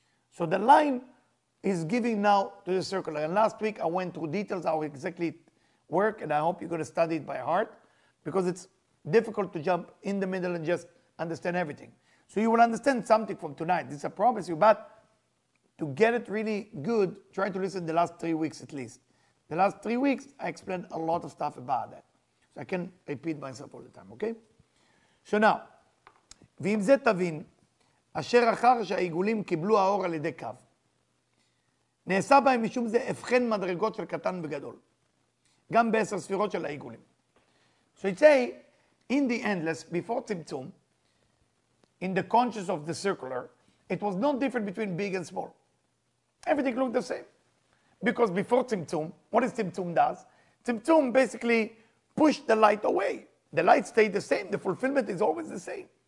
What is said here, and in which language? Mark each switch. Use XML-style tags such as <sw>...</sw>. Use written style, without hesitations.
<en>So the line is giving now to the circular. And last week I went through details how exactly it works, and I hope you're going to study it by heart, because it's difficult to jump in the middle and just understand everything. So you will understand something from tonight. This I promise you. But to get it really good, try to listen the last 3 weeks at least. The last 3 weeks, I explained a lot of stuff about that. So I can repeat myself all the time, okay? So now,</en> <he>ואם זה תבין, אשר אחר שהעיגולים קיבלו האור על ידי קו, נעשה בהם משום זה הבחן מדרגות של קטן וגדול, גם בעשר ספירות של העיגולים.</he> <en>So it say, in the endless, before צמצום, in the conscious of the circular, it was not different between big and small. Everything looked the same. Because before Tzimtzum, what does Tzimtzum does? Tzimtzum basically pushed the light away. The light stayed the same. The fulfillment is always the same.</en>